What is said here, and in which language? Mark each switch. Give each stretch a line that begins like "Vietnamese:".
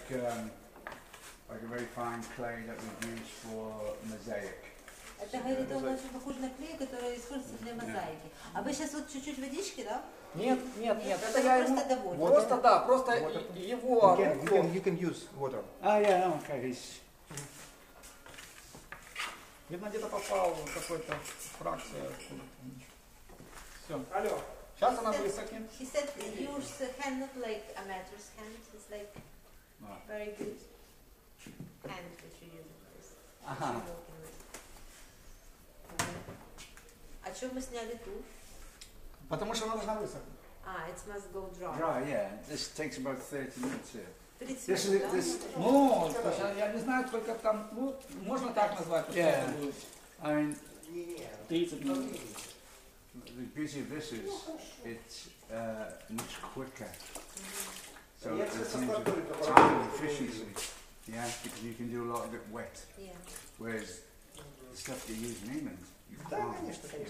English: like a very fine clay that we use for mosaic.
Russian: Это говорит о том, что похоже на клей, который используется для мозаики. А вы сейчас вот чуть-чуть водички, да? Нет. Это я просто доводит. Вот просто, да, просто water. Его...
English: You can use water. Okay.
Russian: Видно, где-то попал какой-то фракция. Все. Алло. Сейчас она высохнет.
English: He said, use hand not like a mattress hand. It's like very good hand that you use.
Russian: Ага. А что мы сняли ту? Потому что она должна высохнуть.
English: А, it must go dry. Dry, yeah. This takes about 30 minutes here.
Russian: 30 минут, this, да? Ну, я не знаю, сколько там, ну, можно так назвать?
English: Yeah. I mean,
Russian: 30 минут.
English: The beauty of this is, it's much quicker. So it's in the time and efficiency. Yeah, because you can do a lot of it wet. Yeah. Whereas the stuff that you use in England,